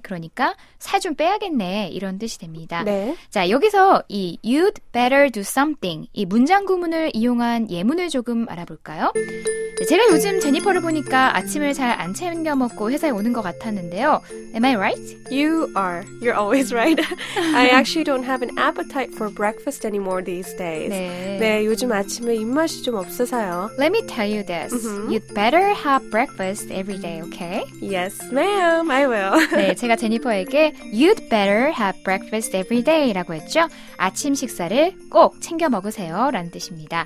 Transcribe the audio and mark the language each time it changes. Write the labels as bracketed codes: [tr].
[ko] 그러니까 살 좀 빼야겠네. 이런 뜻이 됩니다. 네. 자, 여기서 이 [en] you'd better do something [ko] 이 문장 구문을 이용한 예문을 조금 알아볼까요? 제가 요즘 제니퍼를 보니까 아침을 잘 안 챙겨 먹고 회사에 오는 것 같았는데요. [en] Am I right? You are. You're always right. I actually don't have an appetite for breakfast anymore these days. [ko] 네. 네, 요즘 아침에 입맛이 좀 없어서요. [en] Let me tell you this. Mm-hmm. You'd better have breakfast every day, okay? Yes, ma'am. I will. [ko] 네, 제가 제니퍼에게 [en] You'd better have breakfast every day [ko] 라고 했죠. 아침 식사를 꼭 챙겨 먹으세요 라는 뜻입니다.